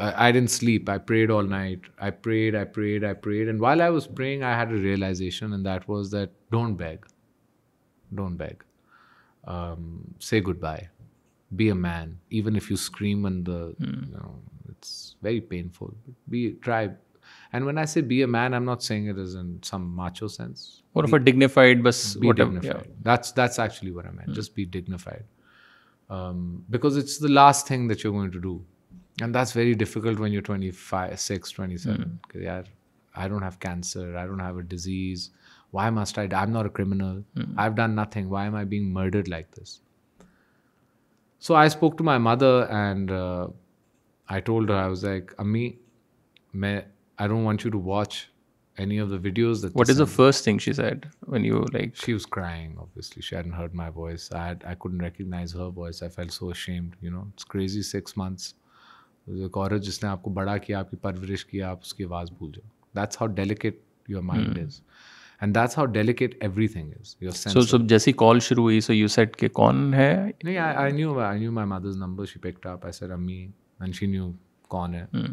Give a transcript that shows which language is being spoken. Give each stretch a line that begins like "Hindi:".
English: I didn't sleep, I prayed all night, I prayed, I prayed, I prayed. And while I was praying, I had a realisation, and that was that don't beg, don't beg, say goodbye, be a man, even if you scream in the, it's very painful. We try, and when I say be a man, I'm not saying it as in some macho sense. What if a dignified, bas be whatever, dignified. Yeah. That's actually what I meant. Just be dignified. Because it's the last thing that you're going to do. And that's very difficult when you're 25, 6, 27. Because I don't have cancer. I don't have a disease. Why must I die? I'm not a criminal. Mm-hmm. I've done nothing. Why am I being murdered like this? So I spoke to my mother and I told her, I was like, Ammi, I don't want you to watch any of the videos that... What is the first thing she said when you like... She was crying, obviously. She hadn't heard my voice. I couldn't recognize her voice. I felt so ashamed, you know. It's crazy, 6 months.
Hindi: एक औरत जिसने आपको बड़ा किया, आपकी परवरिश किया, आप उसकी आवाज़ भूल जाओ.
English: That's how delicate your mind is and that's how delicate everything is your sense.
Hindi: सो जैसी कॉल शुरू हुई,
English: so you said
Hindi: के कौन है?
English: नहीं, I knew my mother's number. She picked up. I said अम्मी, and she knew
Hindi: कौन है.